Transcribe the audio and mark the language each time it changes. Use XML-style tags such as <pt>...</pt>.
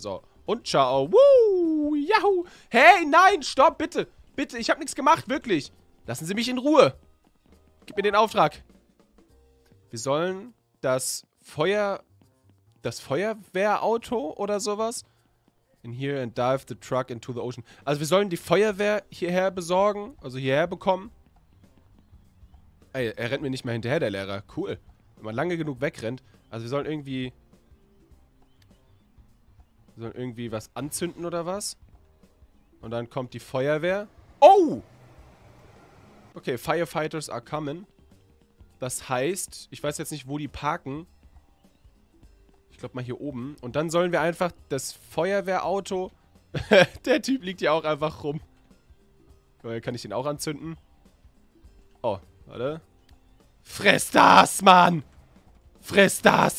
<de>So, und ciao. Woo, yahoo. Hey, nein, stopp, bitte. Bitte, ich habe nichts gemacht, wirklich. Lassen Sie mich in Ruhe. Gib mir den Auftrag. Wir sollen das Feuerwehrauto oder sowas.</de> <en>In here and dive the truck into the ocean.</en> <de>Also wir sollen die Feuerwehr hierher besorgen. Also hierher bekommen. Ey, er rennt mir nicht mehr hinterher, der Lehrer. Cool. Wenn man lange genug wegrennt. Also wir sollen irgendwie was anzünden oder was. Und dann kommt die Feuerwehr. Oh!</de> <en>Okay, Firefighters are coming.</en> <de>Das heißt, ich weiß jetzt nicht, wo die parken. Ich glaube mal hier oben. Und dann sollen wir einfach das Feuerwehrauto... Der Typ liegt ja auch einfach rum. Kann ich den auch anzünden? Oh, warte. Fress das, Mann! Fress das!</de>